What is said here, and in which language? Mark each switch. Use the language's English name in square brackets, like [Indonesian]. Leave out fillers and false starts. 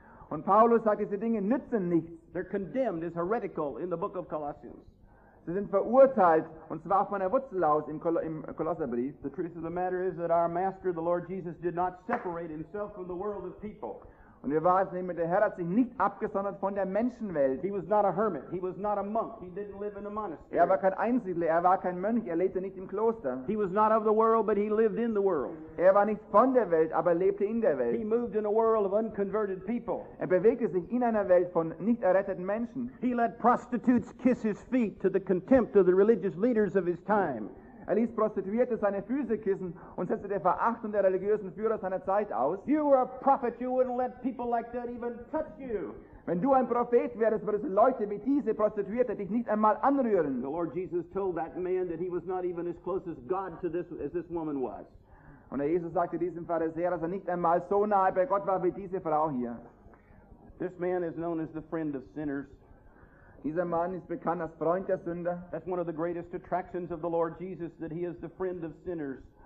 [German] Und Paulus sagt, diese Dinge nützen nichts. [English] They're condemned as heretical in the book of Colossians. [German] Sie sind verurteilt, und zwar von der Wurzel aus im Kolosserbrief. [English] The truth of the matter is that our Master, the Lord Jesus, did not separate himself from the world of people. [German] Und wir wahr nehmen, der Herr hat sich nicht abgesondert von der Menschenwelt. [English] He was not a hermit. He was not a monk. He didn't live in a monastery. [German] Er war kein Einsiedler. Er war kein Mönch. Er lebte nicht im Kloster. [English] He was not of the world, but he lived in the world. [German] Er war nicht von der Welt, aber lebte in der Welt. [English] He moved in a world of unconverted people. [German] Er bewegte sich in einer Welt von nicht erretteten Menschen. [English] He let prostitutes kiss his feet to the contempt of the religious leaders of his time. [German] Er ließ Prostituierte seine Füße kissen und setzte der Verachtung der religiösen Führer seiner Zeit aus. [English] You were a prophet, you wouldn't let people like that even touch you. [German] Wenn du ein Prophet wärst, würdest du Leute wie diese Prostituierte dich nicht einmal anrühren. [English] The Lord Jesus told that man that he was not even as close as God to this as this woman was. [German] Und der Jesus sagte diesem Pharisäer, dass er nicht einmal so nahe bei Gott war wie diese Frau hier. [English] This man is known as the friend of sinners. [German] Dieser Mann ist bekannt als Freund der Sünder. [English] That's one of the greatest attractions of the Lord Jesus, that he is the friend of sinners.